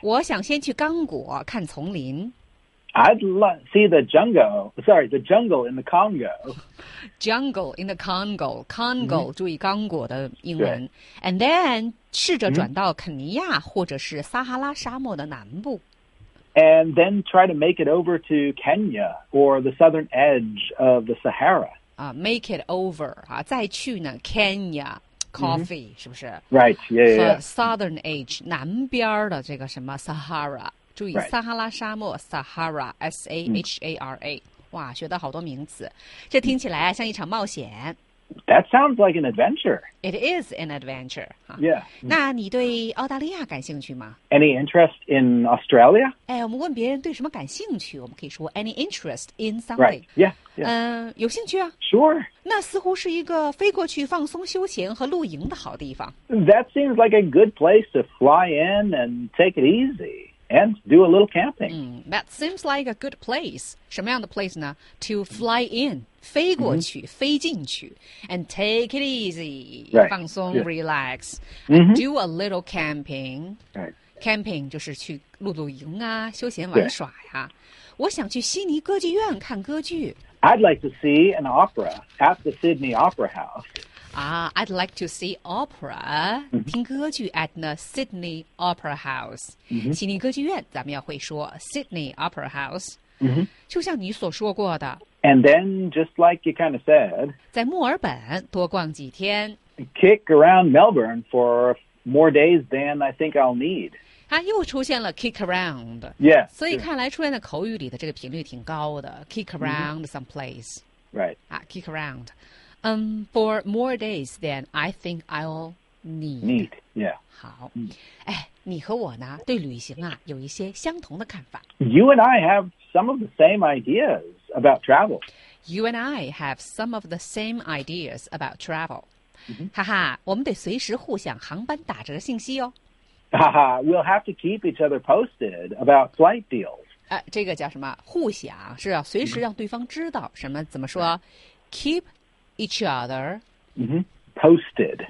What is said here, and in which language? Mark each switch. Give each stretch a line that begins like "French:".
Chinese: 我想先去刚果看丛林。
English: I'd love see the jungle. Sorry, the jungle in the Congo. Jungle in the Congo, Congo.、Mm-hmm.
Chinese: 注意刚果的英文。
English: And then.
Chinese: 试着转到肯尼亚或者是撒哈拉沙漠的南部
English: ，and then try to make it over to Kenya or the southern edge of the Sahara. 啊、，make it over 啊，
Chinese: 再去呢
English: ，Kenya coffee、mm-hmm.
Chinese: 是不是
English: ？Right, yeah, yeah. Southern edge
Chinese: 南边的这个什么 Sahara， 注意、
English: right.
Chinese: 撒哈拉沙漠 Sahara, S A H A R A， 哇，学到好多名词，这听起来啊像一场冒险。
English: That sounds like an adventure. It is an adventure. Yeah.
Chinese: 那你对澳大利亚感兴趣吗
English: ？Any interest in Australia?
Chinese: 哎，我们问别人对什么感兴趣，我们可以说
English: any interest in something. Right. Yeah. 嗯、 yeah.
Chinese: 有兴趣啊。
English: Sure.
Chinese: 那似乎是一个飞过去放松、休闲和露营的好地方。
English: That seems like a good place to fly in and take it easy. And do a little camping.、 Mm, that seems like a good place.
Chinese: 什么样的
English: place 呢 ？To fly in,
Chinese: 飞过去、
English: mm-hmm.
Chinese: 飞进去
English: ，and take it easy,、 right.
Chinese: 放松、
English: yeah. relax,、 mm-hmm. do a little camping.、 Right.
Chinese: Camping 就是去露露营啊，休闲玩耍呀、啊。
English: Yeah.
Chinese: 我想去悉尼歌剧院看歌剧。
English: I'd like to see an opera at the Sydney Opera House. Ah, I'd like to see opera.、 Mm-hmm.
Chinese: 听歌剧
English: at the Sydney Opera House.、 Mm-hmm.
Chinese: 悉尼歌剧院，咱们要会说 Sydney Opera House.、
English: Mm-hmm.
Chinese: 就像你所说过的。
English: And then, just like you kind of said,
Chinese: 在墨尔本多逛几天。
English: Kick around Melbourne for more days than I think I'll need.
Chinese: 它又出现了 kick around.
English: Yeah.
Chinese: 所以看来出现在口语里的这个频率挺高的。
English: Kick around、mm-hmm. some place. Right. 啊 ，kick around. For more days than I think I'll need. Need, yeah.
Chinese: 好，哎，你和我呢，对旅行啊，有一些相同的看法。
English: You and I have some of the same ideas about travel. You and I have some of the same ideas about travel. Mm-hmm.
Chinese: 哈哈，我们得随时互相航班打折信息哦。
English: 哈哈 ，We'll have to keep each other posted about flight deals.
Chinese: 这个叫什么？互相是要随时让对方知道什么？怎么说
English: ？Keep. Each other,、 mm-hmm. posted.、